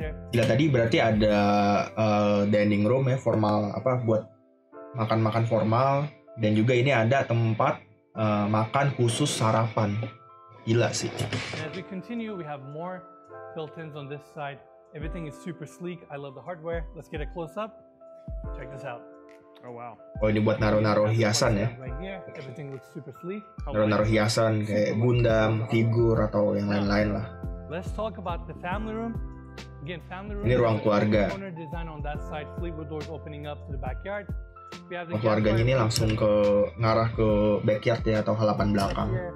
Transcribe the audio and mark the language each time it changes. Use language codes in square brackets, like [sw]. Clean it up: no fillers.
[id] Gila, tadi berarti ada dining room ya, formal, apa, buat makan-makan formal. Dan juga ini ada tempat makan khusus sarapan. Gila sih. [en] And as we continue, we have more built-ins on this side. Everything is super sleek. I love the hardware. Let's get a close up. Check this out. Oh wow. [id] Oh, ini buat naro-naro hiasan ya. [en] Everything looks super sleek. [id] Naro-naro hiasan kayak Gundam, figur atau yang lain-lain lah. [en] Let's talk about the family room. Again, family room. [id] Ini ruang keluarga. [en] Design on that side, fleetwood doors opening up to the backyard. [id] Keluarganya ini langsung ke ngarah ke backyard ya atau halaman belakang.